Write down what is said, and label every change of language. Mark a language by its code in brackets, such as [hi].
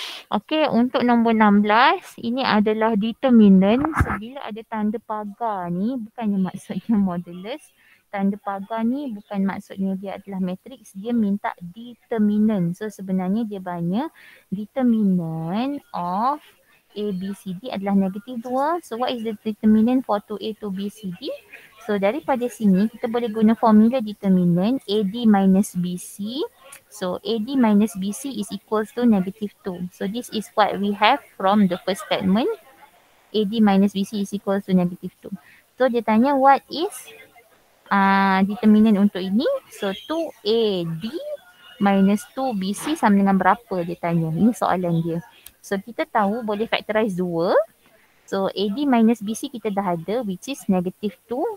[ms] Okay, untuk nombor 16, ini adalah determinant. So bila ada tanda pagar ni, bukannya maksudnya modulus. Tanda pagar ni bukan maksudnya dia adalah matriks, dia minta determinant. So sebenarnya dia banyak determinant of A, B, C, D adalah negatif 2. [en] So what is the determinant for 2A to B, C, D? [ms] So daripada sini kita boleh guna formula determinant AD minus BC. [en] So AD minus BC is equals to negative 2. So this is what we have from the first statement. AD minus BC is equals to negative 2. [ms] So dia tanya [en] what is determinant [ms] untuk ini. So 2AD minus 2BC sama dengan berapa dia tanya. Ini soalan dia. So kita tahu boleh factorize 2. So AD minus BC kita dah ada [en] which is negative 2.